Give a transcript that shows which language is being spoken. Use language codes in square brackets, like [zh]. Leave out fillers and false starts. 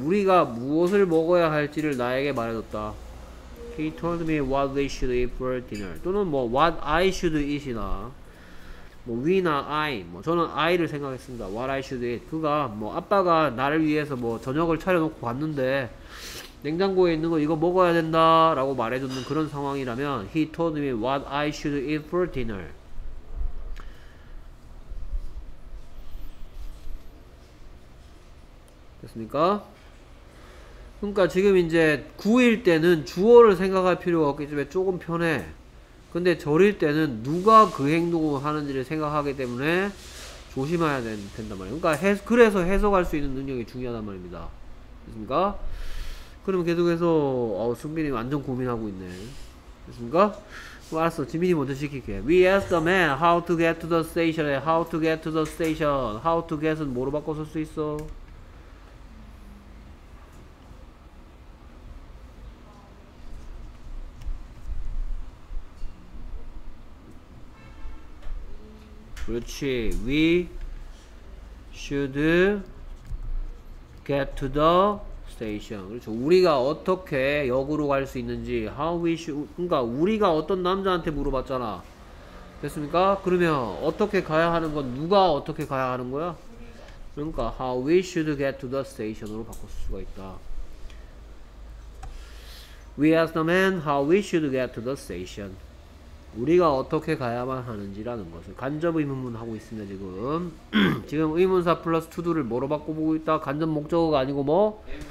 [ko] 우리가 무엇을 먹어야 할지를 나에게 말해줬다. [en] He told me what we should eat for dinner. [ko] 또는 뭐 [en] what I should eat [ko] 이나 뭐 we나 I. 뭐 저는 I를 생각했습니다. [en] What I should eat. [ko] 그가 뭐 아빠가 나를 위해서 뭐 저녁을 차려놓고 왔는데 냉장고에 있는 거 이거 먹어야 된다라고 말해줬는 그런 상황이라면 [en] he told me what I should eat for dinner. [ko] 됐습니까? 그러니까 지금 이제 구일 때는 주어를 생각할 필요가 없기 때문에 조금 편해. 근데 절일 때는 누가 그 행동을 하는지를 생각하기 때문에 조심해야 된단 말이에요. 그러니까 그래서 해석할 수 있는 능력이 중요하단 말입니다. 됐습니까? 그럼 계속해서 승빈이 완전 고민하고 있네. 됐습니까? 알았어. 지민이 먼저 시킬게. [en] We asked the man how to get to the station. How to get to the station. How to get은 [ko] 뭐로 바꿔 쓸 수 있어? 그렇지. [en] We should get to the station. [ko] 그렇죠. 우리가 어떻게 역으로 갈 수 있는지. [en] How we should. [ko] 그러니까 우리가 어떤 남자한테 물어봤잖아. 됐습니까? 그러면 어떻게 가야 하는 건 누가 어떻게 가야 하는 거야? 그러니까 [en] how we should get to the station [ko] 으로 바꿀 수가 있다. [en] We asked the man how we should get to the station. [ko] 우리가 어떻게 가야만 하는지라는 것을 간접 의문문 하고 있습니다 지금. 지금 의문사 플러스 투두를 뭐로 바꿔보고 있다? 간접 목적어가 아니고 뭐?